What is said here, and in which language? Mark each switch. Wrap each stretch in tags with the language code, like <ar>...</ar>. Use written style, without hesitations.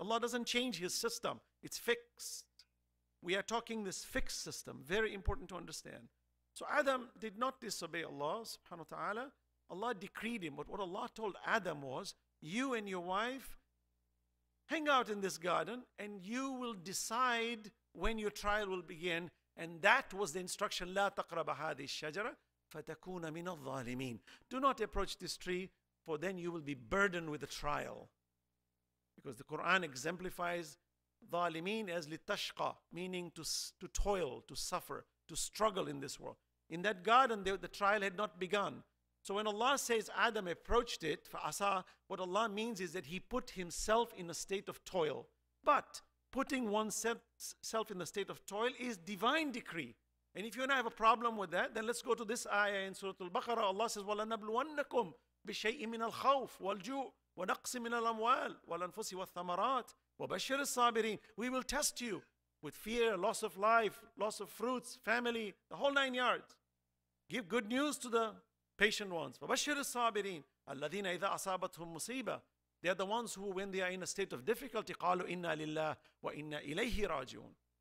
<en>Allah doesn't change his system. It's fixed. We are talking this fixed system. Very important to understand. So Adam did not disobey Allah subhanahu wa ta'ala. Allah decreed him. But what Allah told Adam was, you and your wife, hang out in this garden and you will decide when your trial will begin. And that was the instruction,</en> <ar>لا تقرب هذه الشجرة فتكون من الظالمين.</ar> <en>Do not approach this tree, for then you will be burdened with a trial. Because the Quran exemplifies ظالمين as لتشقى, meaning to toil, to suffer, to struggle in this world. In that garden, the trial had not begun. So when Allah says Adam approached it, فَأَسَىٰ, what Allah means is that he put himself in a state of toil. But putting oneself in the state of toil is divine decree. And if you and I have a problem with that, then let's go to this ayah in Surah Al-Baqarah. Allah says,</en> <ar>وَلَنَبْلُوَنَّكُمْ بِشَيْءٍ مِّنَ الْخَوْفِ وَالْجُوءِ وَنَقْصٍ مِّنَ الْأَمْوَالِ وَالْأَنفُسِ وَالثَّمَرَاتِ وَبَشِّرِ الصَّابِرِينَ.</ar> <en>We will test you with fear, loss of life, loss of fruits, family, the whole nine yards. Give good news to the patient ones.</en> <ar>وَبَشِّرِ الصَّابِرِينَ الَّذِينَ إِذَا أَصَابَتْهُمْ مُصِيبَةٌ.</ar> <en>They are the ones who, when they are in a state of difficulty,</en> <ar>قَالُوا إِنَّا لِلَّهِ وَإِنَّا إِلَيْهِ رَاجِعُونَ.</ar>